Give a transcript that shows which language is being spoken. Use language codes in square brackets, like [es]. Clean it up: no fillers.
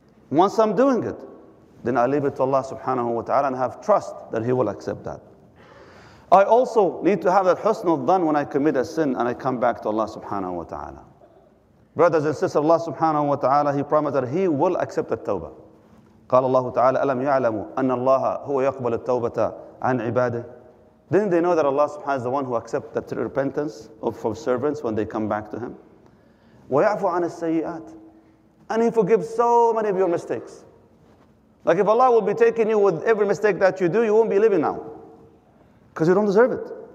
[en] Once I'm doing it, then I leave it to Allah subhanahu wa ta'ala and have trust that He will accept that. I also need to have that حُسْنُ الظَّنِّ when I commit a sin and I come back to Allah subhanahu wa ta'ala. Brothers and sisters, Allah subhanahu wa ta'ala, He promised that He will accept the tawbah. [ar] قال الله تعالى ألم يعلموا أن الله هو يقبل التوبة عن عباده. [en] Didn't they know that Allah subhanahu wa ta'ala is the one who accepts the true repentance of servants when they come back to Him? [ar] ويعفو عن السيئات. [en] And He forgives so many of your mistakes. Like if Allah will be taking you with every mistake that you do, you won't be living now. Because you don't deserve it.